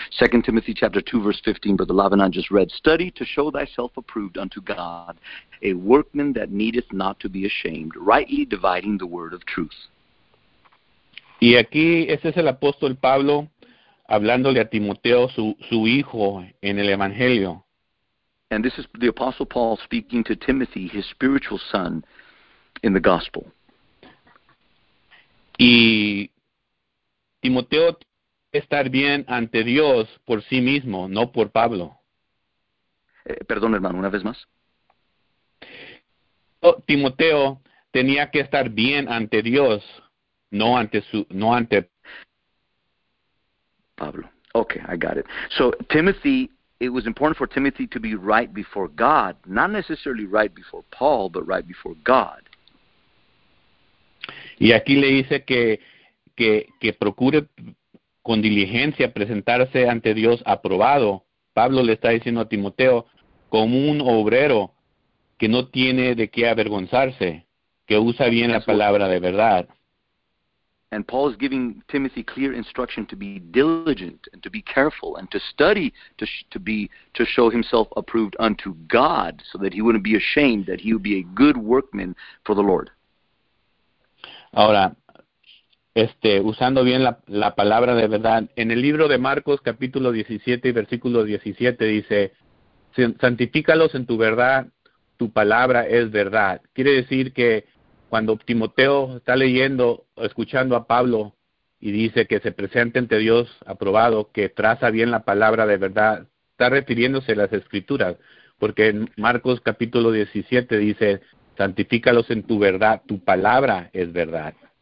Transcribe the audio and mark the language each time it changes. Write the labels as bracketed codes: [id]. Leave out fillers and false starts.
[en] 2 Timothy chapter 2, verse 15, Brother Lavanant just read, study to show thyself approved unto God, a workman that needeth not to be ashamed, rightly dividing the word of truth. [es] Y aquí, ese es el apóstol Pablo, hablándole a Timoteo, su hijo, en el Evangelio. [en] And this is the Apostle Paul speaking to Timothy, his spiritual son, in the gospel. [es] Y Timoteo estar bien ante Dios por sí mismo, no por Pablo. Perdón, hermano, una vez más. Timoteo tenía que estar bien ante Dios, no ante [en] Pablo. Okay, I got it. So Timothy... It was important for Timothy to be right before God, not necessarily right before Paul, but right before God. [es] Y aquí le dice que procure con diligencia presentarse ante Dios aprobado. Pablo le está diciendo a Timoteo, como un obrero que no tiene de qué avergonzarse, que usa bien la palabra de verdad. [en] And Paul is giving Timothy clear instruction to be diligent and to be careful and to study to show himself approved unto God so that he wouldn't be ashamed, that he would be a good workman for the Lord. [es] Ahora, usando bien la palabra de verdad, en el libro de Marcos capítulo 17 y versículo 17 dice, santifícalos en tu verdad, tu palabra es verdad. Quiere decir que cuando Timoteo está leyendo, escuchando a Pablo y dice que se presente ante Dios aprobado, que traza bien la palabra de verdad, está refiriéndose a las Escrituras, porque en Marcos capítulo 17 dice, santifícalos en tu verdad, tu palabra es verdad.